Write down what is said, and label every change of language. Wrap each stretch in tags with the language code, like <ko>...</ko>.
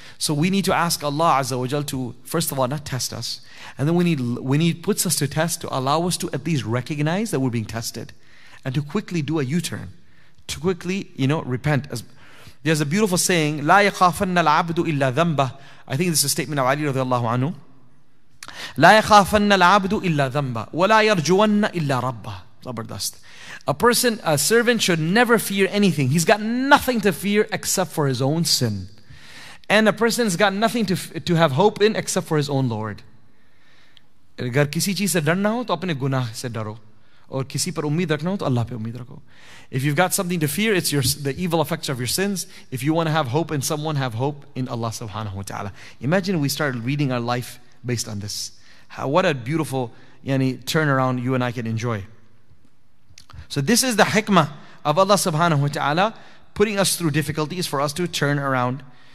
<en>So we need to ask Allah Azza wa Jal to, first of all, not test us. And then when He puts us to test, to allow us to at least recognize that we're being tested. And to quickly do a U-turn. To quickly, you know, repent. There's a beautiful saying,</en> <ar>لا يخافن العبد إلا ذنبه.</ar> <en>I think this is a statement of Ali radiallahu anhu.</en> <ar>لا يخافن العبد إلا ذنبه ولا يرجون إلا ربه.</ar> <ur>Zabardust.</ur> <en>A servant should never fear anything. He's got nothing to fear except for his own sin. And a person's got nothing to have hope in except for his own Lord.</en> <ur>اگر کسی چیز سے ڈرنا ہو تو اپنے گناہ سے ڈرو۔ اور کسی پر امید رکھنا ہو تو اللہ پے امید رکھو۔</ur> <en>If you've got something to fear, it's the evil effects of your sins. If you want to have hope in someone, have hope in Allah subhanahu wa ta'ala. Imagine we started reading our life based on this. What a beautiful turnaround you and I can enjoy. So this is the hikmah of Allah subhanahu wa ta'ala putting us through difficulties for us to turn around.</en>